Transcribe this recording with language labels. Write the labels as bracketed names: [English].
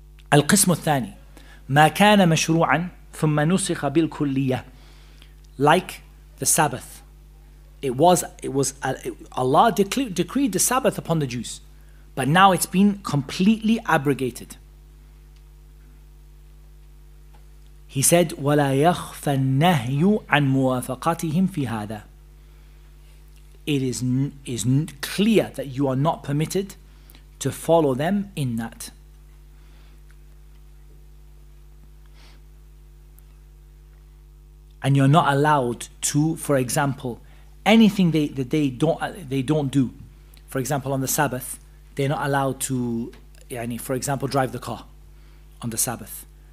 [Arabic] Al-Qismu Thani, ما كان مشروعا ثم نسخ بالكلية. [English] Like the Sabbath, Allah decreed the Sabbath upon the Jews, but now it's been completely abrogated. He said, [Arabic] ولا يخفى النهي عن موافقتهم في هذا. [English] It is clear that you are not permitted to follow them in that. And you're not allowed to, for example, anything they don't do, for example, on the Sabbath, they're not allowed to, for example, drive the car on the Sabbath.